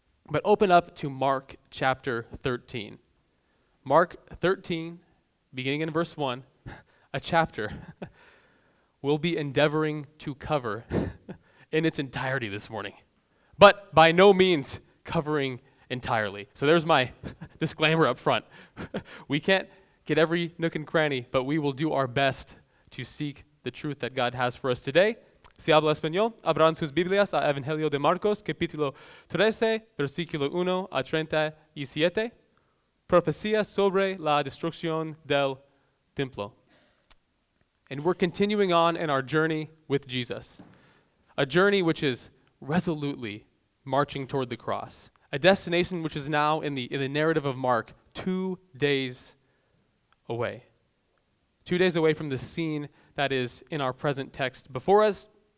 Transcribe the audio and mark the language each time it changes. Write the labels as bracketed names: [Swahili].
[English] But open up to Mark chapter 13. Mark 13, beginning in verse 1, a chapter we'll be endeavoring to cover in its entirety this morning. But by no means covering entirely. So there's my disclaimer up front. We can't get every nook and cranny, but we will do our best to seek the truth that God has for us today. [Spanish] Si habla español, abran sus Biblias a Evangelio de Marcos, capítulo 13, versículo 1 a 37, profecía sobre la destrucción del templo. [English] And we're continuing on in our journey with Jesus, a journey which is resolutely marching toward the cross, a destination which is now in the narrative of Mark, 2 days away. 2 days away from the scene that is in our present text before us.